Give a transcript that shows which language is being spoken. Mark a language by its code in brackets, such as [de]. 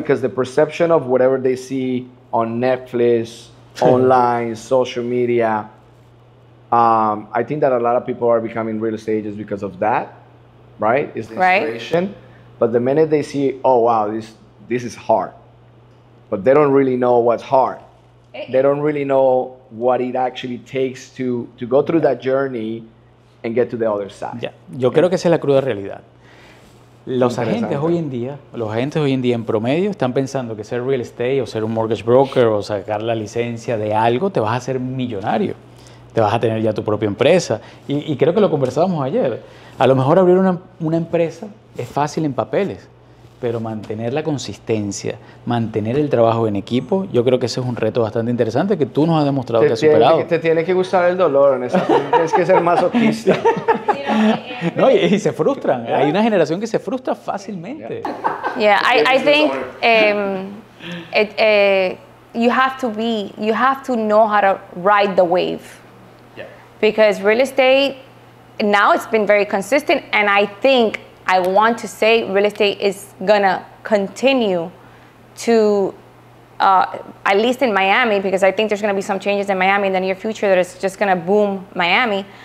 [en] Because the perception of whatever they see on Netflix, online, social media, I think that a lot of people are becoming real estate agents because of that. Right? It's the inspiration. Right. But the minute they see, oh, wow, this is hard. But they don't really know what's hard. They don't really know what it actually takes to go through that journey and get to the other side. Yeah. [es] Yo creo que esa es la cruda realidad. Los agentes hoy en día en promedio están pensando que ser real estate o ser un mortgage broker o sacar la licencia de algo te vas a hacer millonario. Te vas a tener ya tu propia empresa. Y creo que lo conversábamos ayer. A lo mejor abrir una empresa es fácil en papeles, pero mantener la consistencia, mantener el trabajo en equipo, yo creo que ese es un reto bastante interesante que tú nos has demostrado que has superado. Te tiene que gustar el dolor, en esa, tienes que ser masoquista. No, y se frustran. ¿Eh? Hay una generación que se frustra fácilmente. [en] Yeah, I think you have to know how to ride the wave. Because real estate, now it's been very consistent, and I think, I want to say, real estate is gonna continue to, at least in Miami, because I think there's gonna be some changes in Miami in the near future that is just gonna boom Miami.